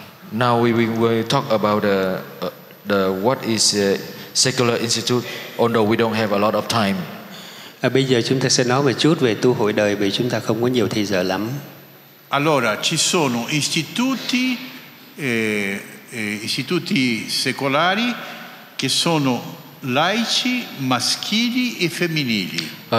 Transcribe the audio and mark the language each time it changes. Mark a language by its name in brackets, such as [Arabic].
[English] Now we will talk about the what is secular institute, although we don't have a lot of time. [Vietnamese] Bây giờ chúng ta sẽ nói một chút về tu hội đời vì chúng ta không có nhiều thời giờ lắm. [Italian] Allora, ci sono istituti secolari che sono laici, maschili e femminili.